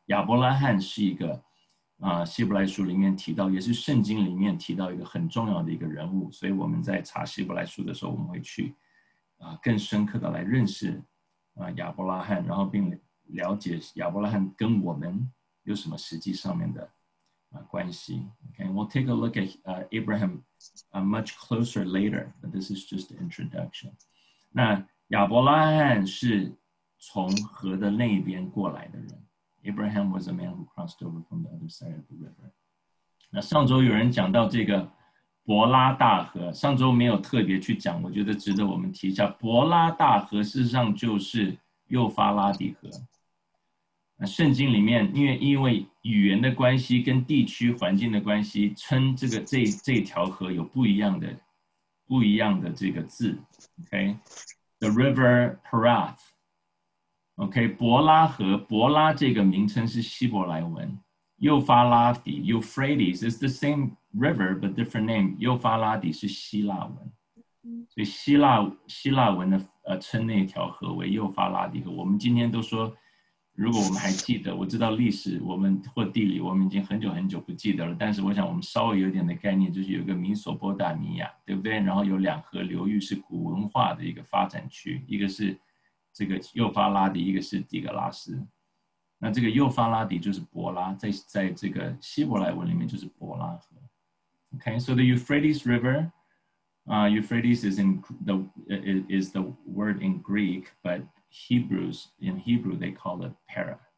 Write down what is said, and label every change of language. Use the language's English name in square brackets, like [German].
[Chinese] 亚伯拉罕是一个希伯来书里面提到，也是圣经里面提到一个很重要的一个人物。所以我们在查希伯来书的时候，我们会去更深刻的来认识亚伯拉罕，然后并了解亚伯拉罕跟我们有什么实际上面的关系。 [English] Okay, we'll take a look at Abraham much closer later, but this is just the introduction. [Chinese] 那亚伯拉罕是从河的那边过来的人。 [English] Abraham was a man who crossed over from the other side of the river. [Chinese] 那上周有人讲到这个伯拉大河，上周没有特别去讲，我觉得值得我们提一下。伯拉大河事实上就是幼发拉底河。那圣经里面因为语言的关系跟地区环境的关系，称这条河有不一样的这个字。 Okay, [English] the river Parath. [Chinese] Okay, 伯拉河，伯拉这个名称是希伯来文。 [English] 幼发拉底 Euphrates is the same river but different name. [Chinese] 幼发拉底是希腊文，所以希腊文的称那条河为幼发拉底河。我们今天都说，如果我们还记得，我知道历史我们或地理我们已经很久很久不记得了，但是我想我们稍微有点的概念，就是有一个米索波达米亚，对不对？然后有两河流域是古文化的一个发展区，一个是这个幼发拉底，一个是底格拉斯。那这个幼发拉底就是伯拉，在这个希伯来文里面就是伯拉河。 [English] Okay, so the Euphrates River Euphrates is the word in Greek, butHebrews, in Hebrew, they call it Para.